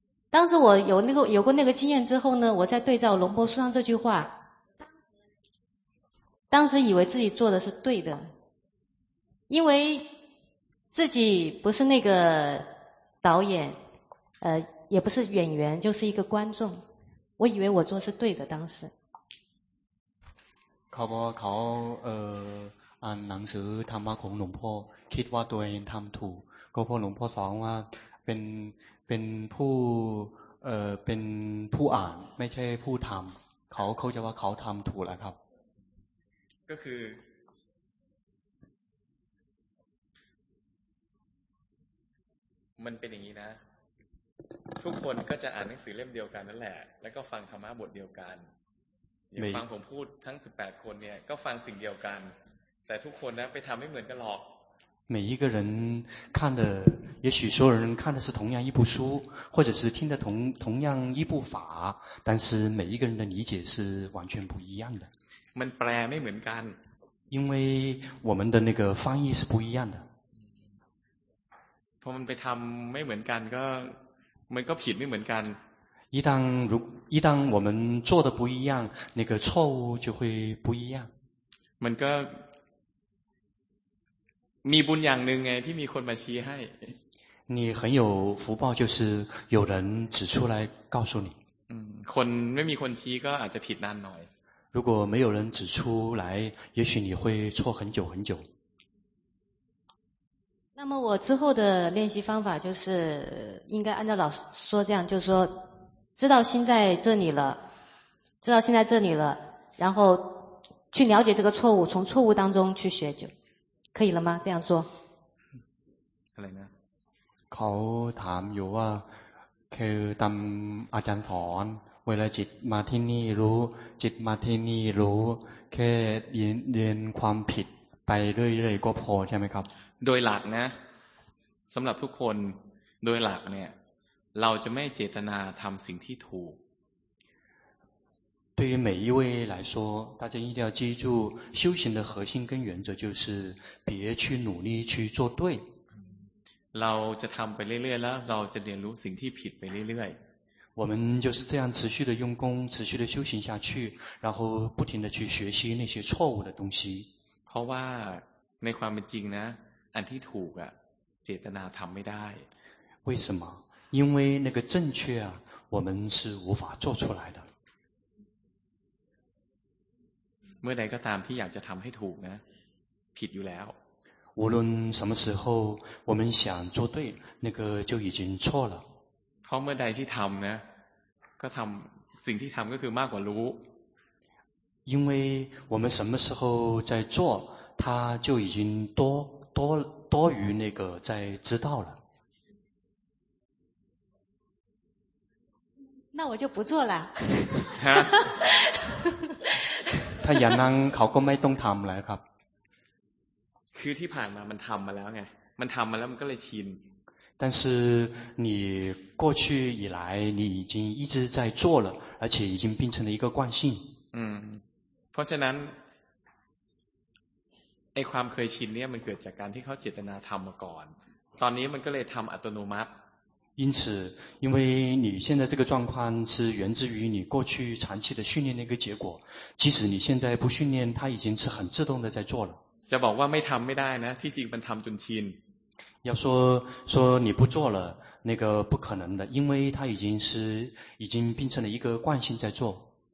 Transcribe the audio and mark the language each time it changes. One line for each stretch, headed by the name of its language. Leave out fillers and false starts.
Chinese: 当时我有那个有过那个经验之后呢我在对照龙波书上这句话当时以为自己做的是对的因为自己不是那个导演也不是演员就是一个观众我以为我做的是对的当时考不考按当时他妈跟龙波
Thai: คิดว่าตัวเองทำถูกก็พอหลวงพ่อสอนว่าเป็นผู้เป็นผู้อ่านไม่ใช่ผู้ทำเขาจะว่าเขาทำถูกแล้วครับ ก็คือมันเป็นอย่างนี้นะทุกคนก็จะอ่านหนังสือเล่มเดียวกันนั่นแหละแล้วก็ฟังธรรมะบทเดียวกันอย่างฟังผมพูดทั้ง18คนเนี่ยก็ฟังสิ่งเดียวกันแต่ทุกคนนะไปทำไม่เหมือนกันหรอก
Chinese: 每一个人看的也许所有人看的是同样一部书或者是听的同样一部法但是每一个人的理解是完全不一样的
Thai: มันแปลไม่เหมือนกัน
Chinese: 因为我们的那个翻译是不一样的
Thai: พอมันไปทำไม่เหมือนกันก็มันก็ผิดไม่เหมือนกัน
Chinese: 一旦我们做的不一样那个错误就会不一样
Thai: มันก็มีบุญอย่างนึงไงที่มีคนมาชี้ให้
Chinese: 你很有福报就是有人指出来告诉你
Thai: คนไม่มีคนชี้ก็อาจจะผิดนานหน่อย
Chinese: 如果没有人指出来也许你会错很久很久那么我之后的练习方法就是应该按照老师说这样就是说知道心在这里了知道心在这里了然后去了解这个错误从错误当中去学就可以了吗这样做
Thai: อะไรนะ เขาถามอยู่ว่าคือตามอาจารย์สอนเวลาจิตมาที่นี่รู้จิตมาที่นี่รู้แค่เรียนความผิดไปเรื่อยๆก็พอใช่ไหมครับ โดยหลักนะสำหรับทุกคนโดยหลักเนี่ยเราจะไม่เจตนาทำสิ่งที่ถูก
Chinese: 对于每一位来说大家一定要记住修行的核心跟原则就是别去努力去做对
Thai: เราจะทำไปเรื่อยๆแล้วเราจะเรียนรู้สิ่งที่ผิดไปเรื่อย
Chinese: ๆ我们就是这样持续的用功持续的修行下去然后不停的去学习那些错误的东西
Thai: เพราะว่าในความเป็นจริงนะอันที่ถูกอะเจตนาทำไม่ได้
Chinese: 为什么因为那个正确啊我们是无法做出来的
Thai: เมื่อใดก็ตามที่อยากจะทำให้ถูกนะผิดอยู่แล้ว
Chinese: 无论什么时候我们想做对那个就已经错了
Thai: เพราะเมื่อใดที่ทำนะก็ทำสิ่งที่ทำก็คือมากกว่ารู้
Chinese: 因为我们什么时候在做它就已经多于那个在知道了那我就不做了
Thai: ถ้าอย่างนั้นเขาก็ไม่ต้องทำแล้วครับ คือที่ผ่านมามันทำมาแล้วไงมันทำมาแล้วมันก็เลยชิน
Chinese: 但是你过去以来你已经一直在做了而且已经变成了一个惯性
Thai: เพราะฉะนั้นไอ้ความเคยชินเนี่ยมันเกิดจากการที่เขาเจตนาทำมาก่อนตอนนี้มันก็เลยทำอัตโนมัติ
Chinese: 因此因为你现在这个状况是源自于你过去长期的训练的一个结果即使你现在不训练它已经是很自动的在做了
Thai: จะบอกว่าไม่ทำไม่ได้นะที่จริงมันทำจนชิน
Chinese: 要说你不做了那个不可能的因为它已经变成了一个惯性在做